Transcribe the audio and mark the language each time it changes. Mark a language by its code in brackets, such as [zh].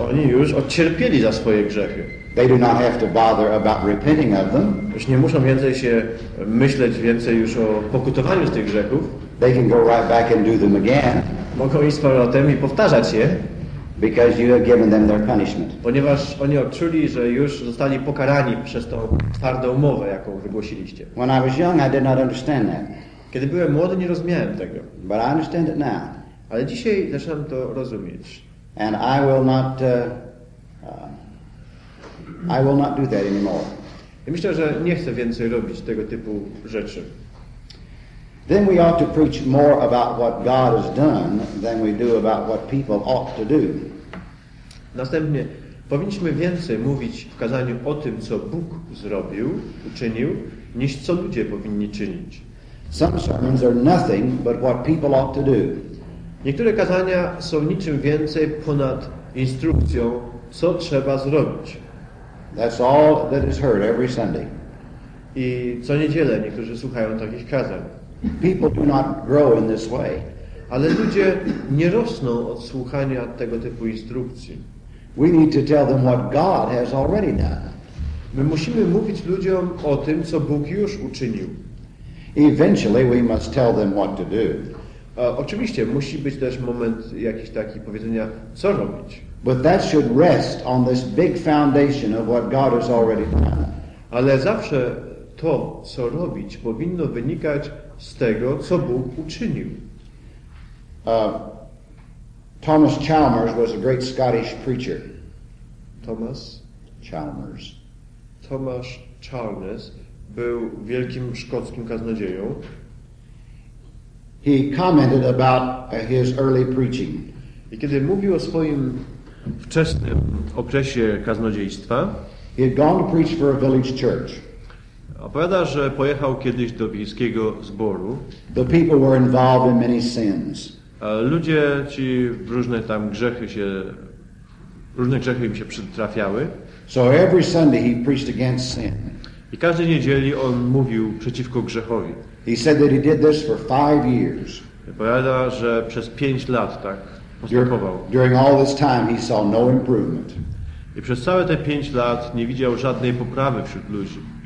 [pl] Oni już odcierpieli za swoje grzechy. [en] They do not have to bother about repenting of them. [pl] Już nie muszą więcej się myśleć więcej już o pokutowaniu z tych grzechów. [en] They can go right back and do them again. [pl] Mogą iść z powrotem i powtarzać je. [en] Because you have given them their punishment. [pl] Ponieważ oni odczuli, że już zostali pokarani przez tą twardą mowę, jaką wygłosiliście. [en] When I was young, I did not understand that. [pl] Kiedy byłem młody, nie rozumiałem tego. [en] But I understand it now. [pl] Ale dzisiaj zacząłem to rozumieć. [en] And I will not do that anymore. [pl] I myślę, że nie chcę więcej robić tego typu rzeczy. [en] Then we ought to preach more about what God has done than we do about what people ought to do. [pl] Następnie powinniśmy więcej mówić w kazaniu o tym, co Bóg zrobił, uczynił, niż co ludzie powinni czynić. [en] Some sermons are nothing but what people ought to do. [pl] Niektóre kazania są niczym więcej ponad instrukcją, co trzeba zrobić. [en] That's all that is heard every Sunday. [pl] I co niedzielę niektórzy słuchają takich kazań. [en] People do not grow in this way. [pl] Ale ludzie nie rosną od słuchania tego typu instrukcji. [en] We need to tell them what God has already done. [pl] My musimy mówić ludziom o tym, co Bóg już uczynił. [en] Eventually we must tell them what to do. [pl] Oczywiście musi być też moment jakiś taki powiedzenia, co robić. [en] But that should rest on this big foundation of what God has already done. [pl] Ale zawsze to, co robić, powinno wynikać z tego, co Bóg uczynił. [en] Thomas Chalmers was a great Scottish preacher. Thomas Chalmers. [pl] Thomas Chalmers był wielkim szkockim kaznodzieją. [en] He commented about his early preaching. [pl] I kiedy mówił o swoim wczesnym okresie kaznodziejstwa, [en] he had gone to preach for a village church. [pl] Opowiada, że pojechał kiedyś do wiejskiego zboru. [en] The people were involved in many sins. [pl] Ludzie ci różne tam grzechy się, różne grzechy im się przytrafiały. [en] So every Sunday he preached against sin. [pl] I każdej niedzieli on mówił przeciwko grzechowi. [en] He said that he did this for 5 years. [pl] Opowiada, że przez 5 lat tak postępował. [en] During all this time he saw no improvement. [pl] I przez całe te 5 lat nie widział żadnej poprawy wśród ludzi.